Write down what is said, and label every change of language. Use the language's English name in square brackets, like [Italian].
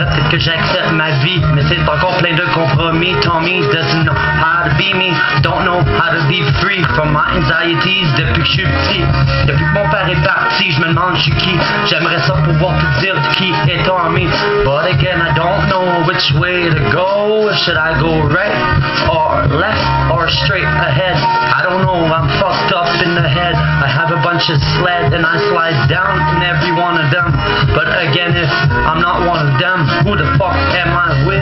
[French] Que j'accepte ma vie, mais c'est encore plein de compromis. [English] Tommy doesn't know how to be me, don't know how to be free from my anxieties. [French] Depuis que je suis petit, depuis que mon père est parti, je me demande je suis qui. J'aimerais ça pouvoir te dire de qui est Tommy. [English] But again, I don't know which way to go. Should I go right or left or straight ahead? I don't know, I'm fucked up in the head. I have a bunch of sled and I slide down in every one of them. But again, if I'm not one of them, who the fuck am I with?